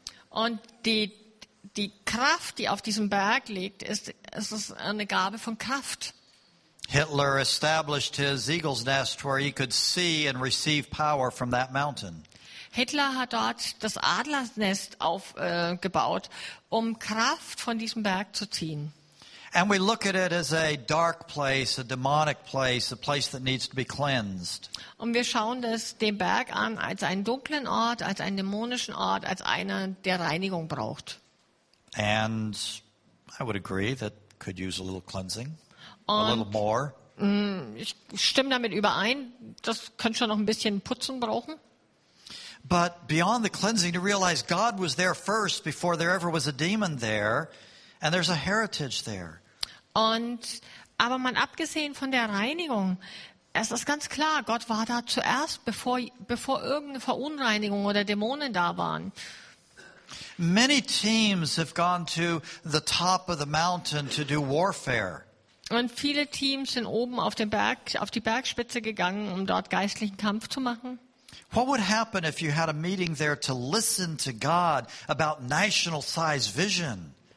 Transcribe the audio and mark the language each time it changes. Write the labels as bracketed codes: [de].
[de] Und die Kraft, die auf diesem Berg liegt, ist eine Gabe von Kraft. [en] Hitler established his eagle's nest where he could see and receive power from that mountain. [de] Hitler hat dort das Adlernest aufgebaut, um Kraft von diesem Berg zu ziehen. [en] And we look at it as a dark place, a demonic place, a place that needs to be cleansed. [de] Und wir schauen das den Berg an als einen dunklen Ort, als einen dämonischen Ort, als einer, der Reinigung braucht. [en] And I would agree that could use a little cleansing, a little more. [de] Ich stimme damit überein, das könnte schon noch ein bisschen Putzen brauchen. [en] But beyond the cleansing, to realize God was there first before there ever was a demon there. And there's a heritage there. [de] Und aber mal abgesehen von der Reinigung, es ist ganz klar, Gott war da zuerst, bevor irgendeine Verunreinigung oder Dämonen da waren. [en] Many teams have gone to the top of the mountain to do warfare. [de] Und viele Teams sind oben auf den Berg, auf die Bergspitze gegangen, um dort geistlichen Kampf zu machen. [en] What would happen if you had a meeting there to listen to God about national-size vision?